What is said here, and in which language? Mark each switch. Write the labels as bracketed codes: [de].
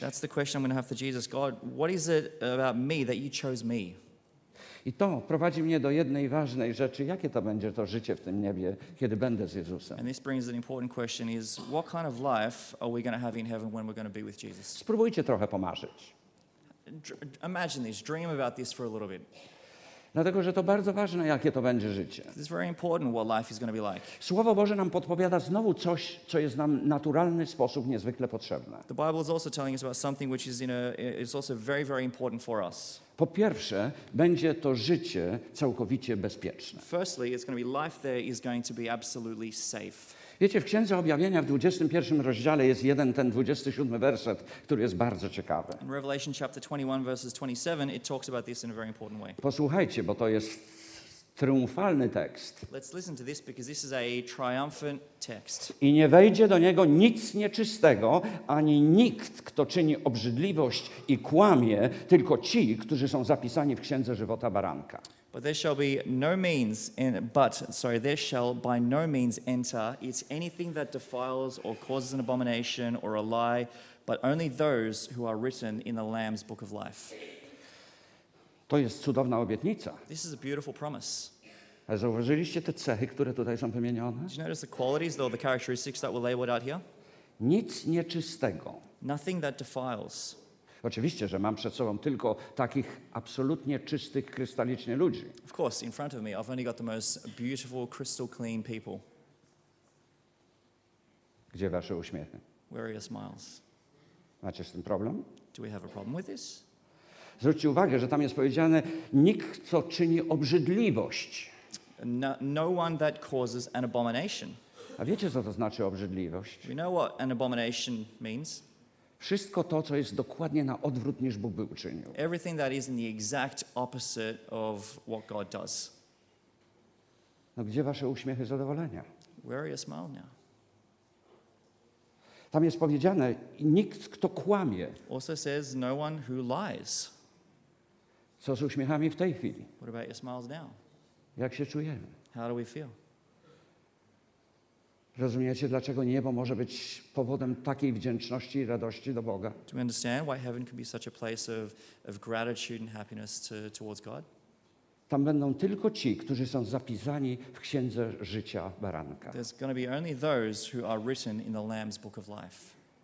[en] That's the question I'm going to have for Jesus. God, what is it about me that you chose me? [pl] I to prowadzi mnie do jednej ważnej rzeczy. Jakie to będzie to życie w tym niebie, kiedy będę z Jezusem? [en] And this brings an important question is, what kind of life are we going to have in heaven when we're going to be with Jesus? [pl] Spróbujcie trochę pomarzyć. [en] Imagine this, dream about this for a little bit. [pl] Dlatego, że to bardzo ważne, jakie to będzie życie. [en] It's very important what life is going to be like. [pl] Słowo Boże nam podpowiada znowu coś, co jest nam naturalny sposób niezwykle potrzebne. [en] The Bible is also telling us about something which is is also very, very important for us. [pl] Po pierwsze, będzie to życie całkowicie bezpieczne. [en] Firstly, it's going to be life there is going to be absolutely safe. [pl] Wiecie, w Księdze Objawienia w 21 rozdziale jest jeden ten 27 werset, który jest bardzo ciekawy. [en] In Revelation chapter 21 verses 27 it talks about this in a very important way. [pl] Posłuchajcie, bo to jest triumfalny tekst. [en] Let's listen to this because this is a triumphant text. [pl] I nie wejdzie do niego nic nieczystego, ani nikt, kto czyni obrzydliwość i kłamie, tylko ci, którzy są zapisani w Księdze Żywota Baranka. [en] But there shall be no means in but sorry there shall by no means enter it anything that defiles or causes an abomination or a lie but only those who are written in the Lamb's book of life. [pl] To jest cudowna obietnica. [en] This is a beautiful promise. [pl] A zauważyliście te cechy, które tutaj są wymienione? [en] Did you notice the qualities or the characteristics that were labeled out here? [pl] Nic nieczystego. [en] Nothing that defiles. [pl] Oczywiście, że mam przed sobą tylko takich absolutnie czystych, krystalicznie ludzi. [en] Of course, in front of me, I've only got the most beautiful, crystal clean people. [pl] Gdzie wasze uśmiechy? [en] Where are your smiles? [pl] Macie z tym problem? [en] Do we have a problem with this? [pl] Zwróćcie uwagę, że tam jest powiedziane, nikt, kto czyni obrzydliwość. [en] No one that causes an abomination. [pl] A wiecie, co to znaczy obrzydliwość? [en] We know what an abomination means. [pl] Wszystko to, co jest dokładnie na odwrót, niż Bóg by uczynił. [en] Everything that is in the exact opposite of what God does. [pl] No gdzie wasze uśmiechy zadowolenia? [en] Where are your smile now? [pl] Tam jest powiedziane, nikt, kto kłamie. [en] Also says no one who lies. [pl] Co z uśmiechami w tej chwili? [en] What about your smiles now? [pl] Jak się czujemy? [en] How do we feel? [pl] Rozumiecie, dlaczego niebo może być powodem takiej wdzięczności i radości do Boga? [en] Do you understand why heaven can be such a place of gratitude and happiness towards God? [pl] Tam będą tylko ci, którzy są zapisani w Księdze Życia Baranka. [en] There's going to be only those who are written in the Lamb's Book of Life.